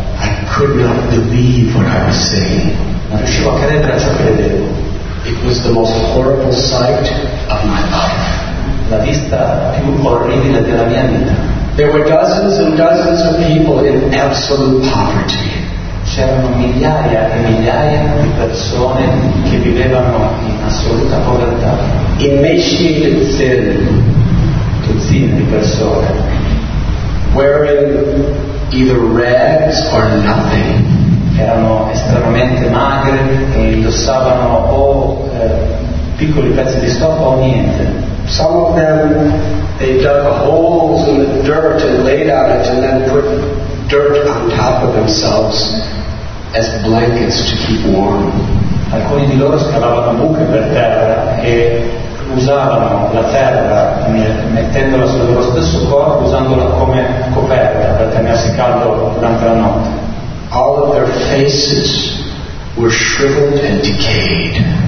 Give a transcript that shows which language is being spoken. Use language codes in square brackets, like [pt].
[en] I could not believe what I was seeing. [it] Non riuscivo a credere a ciò che vedevo. [en] It was the most horrible sight of my life. [it] La vista più orribile della mia vita. [en] There were dozens and dozens of people in absolute poverty. [it] C'erano migliaia e migliaia di persone che vivevano in assoluta povertà. [en] Emaciated thin. [it] Tozzine di persone. [en] Wearing either rags or nothing. [it] Erano estremamente magre e indossavano piccoli pezzi di stoffa o niente. [en] Some of them, they dug holes in the dirt and laid out it and then put dirt on top of themselves as blankets to keep warm. [it] Alcuni di loro scavavano buche per terra e usavano la terra mettendola sul loro stesso corpo, usandola come coperta per tenersi caldo durante la notte. [en] All of their faces were shriveled and decayed.